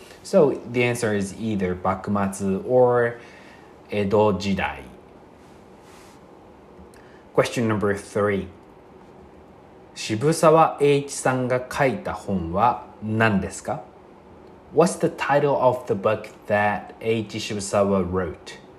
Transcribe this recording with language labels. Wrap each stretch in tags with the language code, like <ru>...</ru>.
<en>So, the answer is either Bakumatsu or Edo Jidai. Question number three.</en> <ja>渋沢栄一さんが書いた本は何ですか?</ja> <en>What's the title of the book that Eiichi Shibusawa wrote?</en>